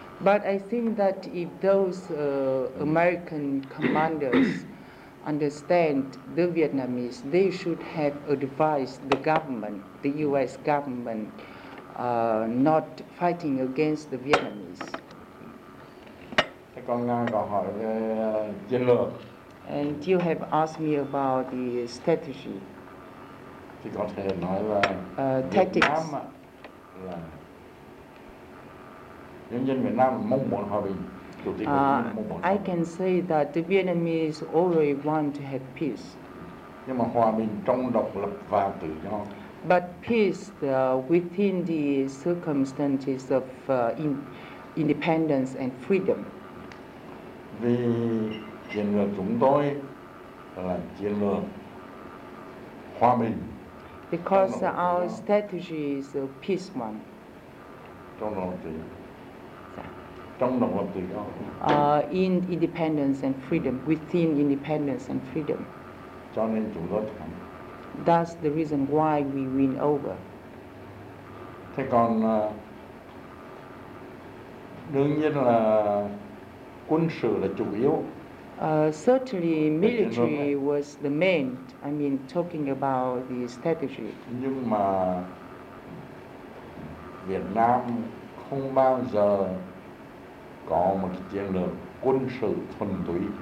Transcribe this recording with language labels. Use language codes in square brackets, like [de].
[en] But I think that if those American commanders understand the Vietnamese, they should have advised the government, the US government, not fighting against the Vietnamese. [vi] Còn Nga có hỏi về chiến lược. [en] And you have asked me about the strategy. [vi] Thì có thể nói là [en] tactics. [vi] Việt Nam là nhân dân Việt Nam mong muốn hòa bình. Chủ tịch của mình mong muốn. [en] I can say that the Vietnamese already want to have peace. [vi] Nhưng mà hòa bình trong độc lập và tự do. [en] But peace within the circumstances of independence and freedom. [vi] Vì chiến lược chúng tôi là chiến lược hòa bình. [en] Because our strategy is a peace one. [vi] Trong độc lập tự do. Trong độc lập tự do. [en] In independence and freedom, within independence and freedom. [vi] Cho nên chúng tôi thắng. [en] That's the reason why we win over. [vi] Thế còn đương nhiên là quân sự là chủ yếu. [en] Certainly military was the main, I mean talking about the strategy. [vi] Nhưng mà Việt Nam không bao giờ có một chiến lược quân sự thuần túy.